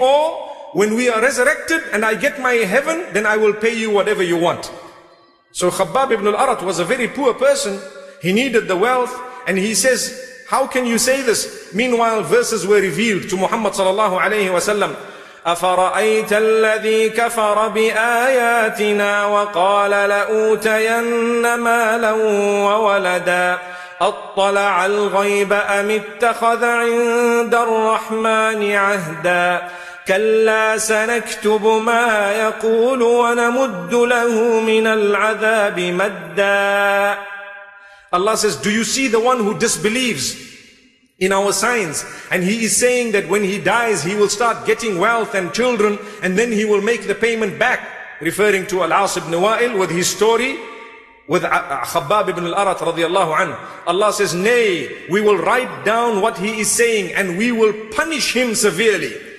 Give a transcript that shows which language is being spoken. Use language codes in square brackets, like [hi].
[en] Or when we are resurrected and I get my heaven, then I will pay you whatever you want. So Khabbab ibn al-Arat was a very poor person. He needed the wealth. And he says, how can you say this? Meanwhile, verses were revealed to Muhammad sallallahu alayhi wa sallam. [ar] أفرأيت الذي كفر بآياتنا وقال لأوتين مالا وولدا أطلع الغيب أم اتخذ عند الرحمن عهدا كلا سنكتب ما يقول ونمد له من العذاب مدا. [en] Allah says, do you see the one who disbelieves in our signs? And he is saying that when he dies, he will start getting wealth and children, and then he will make the payment back. Referring to Al-As ibn Wa'il with his story, with Khabbab ibn al-Arat radiyallahu anhu. Allah says, nay, we will write down what he is saying and we will punish him severely.